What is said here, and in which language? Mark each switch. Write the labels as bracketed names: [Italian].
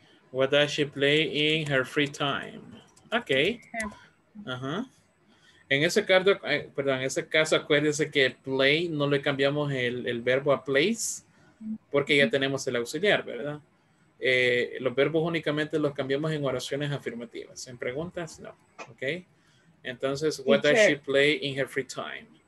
[English] What does she play in her free time? Okay. Ajá. [Spanish] En ese caso, perdón, en ese caso, acuérdense que play no le cambiamos el verbo a place porque ya tenemos el auxiliar, ¿verdad? Los verbos únicamente los cambiamos en oraciones afirmativas. En preguntas, no. Okay. Entonces, [English] what teacher. Does she play in her free time?